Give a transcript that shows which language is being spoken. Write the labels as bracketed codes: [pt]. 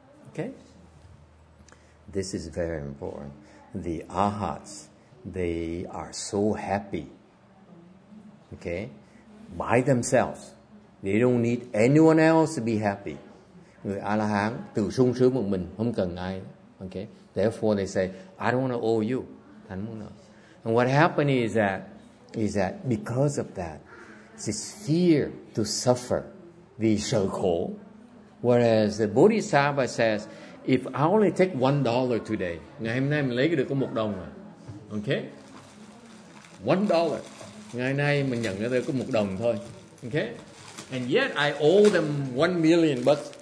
[en] Okay? This is very important. The arhats, they are so happy, okay? By themselves. They don't need anyone else to be happy. [vi] Người A-la-hán, tự sung sướng một mình, không cần ai, okay? [en] Therefore, they say, I don't want to owe you. [vi] Thành muốn nợ. [en] And what happened is that because of that, this fear to suffer, [vi] vì sợ khổ. [en] Whereas the Bodhisattva says, if I only take $1 today, [vi] ngày hôm nay mình lấy được có một đồng rồi. [en] Okay? $1. [vi] Ngày nay mình nhận được có một đồng thôi. Okay? [en] And yet I owe them $1,000,000.